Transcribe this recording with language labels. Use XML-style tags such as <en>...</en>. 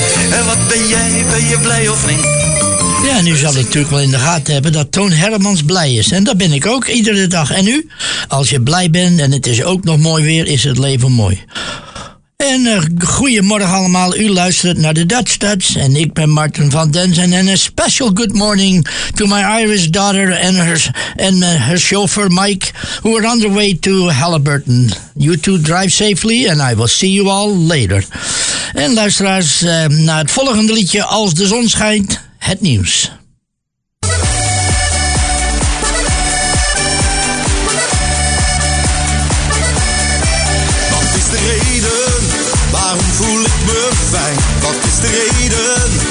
<nl>En wat ben jij blij of niet? Ja, en u zal het natuurlijk wel in de gaten hebben dat Toon Hermans blij is. En dat ben ik ook, iedere dag. En u? Als je blij bent en het is ook nog mooi weer, is het leven mooi. En goedemorgen allemaal, u luistert naar de Dutch Dutch. En ik ben Martin van Denzen.</nl> <en>En a special good morning to my Irish daughter and her chauffeur Mike, who are on the way to Halliburton. You two drive safely and I will see you all later.</en> <nl>En luisteraars, naar het volgende liedje, Als de Zon Schijnt. Het nieuws. Wat is de reden? Waarom voel ik me fijn? Wat is de reden?</nl>